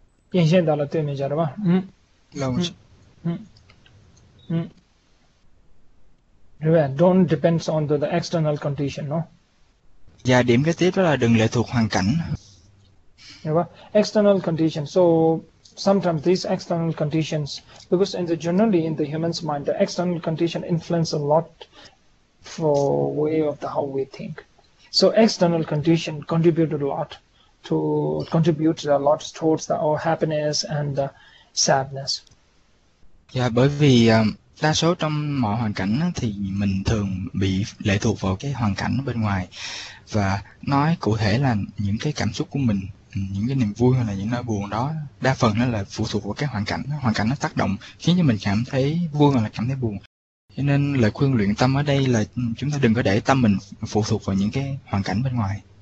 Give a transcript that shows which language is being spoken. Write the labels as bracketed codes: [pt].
[vi] Kiến thiết đó là tuyệt mệnh rồi bạn. Lòng, chị. Rồi bạn, [en] don't depends on the external condition, no? [vi] Và điểm kế tiếp đó là đừng lệ thuộc hoàn cảnh. [en] External condition. So sometimes these external conditions, because in the generally in the human's mind, the external condition influence a lot for way of the how we think. So external condition contributes a lot towards the our happiness and the sadness. [vi] Dạ, bởi vì đa số trong mọi hoàn cảnh thì mình thường bị lệ thuộc vào cái hoàn cảnh bên ngoài, và nói cụ thể là những cái cảm xúc của mình, những cái niềm vui hay là những nỗi buồn đó, đa phần nó là phụ thuộc vào cái hoàn cảnh. Hoàn cảnh nó tác động khiến cho mình cảm thấy vui hoặc là cảm thấy buồn. Cho nên lời khuyên luyện tâm ở đây là chúng ta đừng có để tâm mình phụ thuộc vào những cái hoàn cảnh bên ngoài.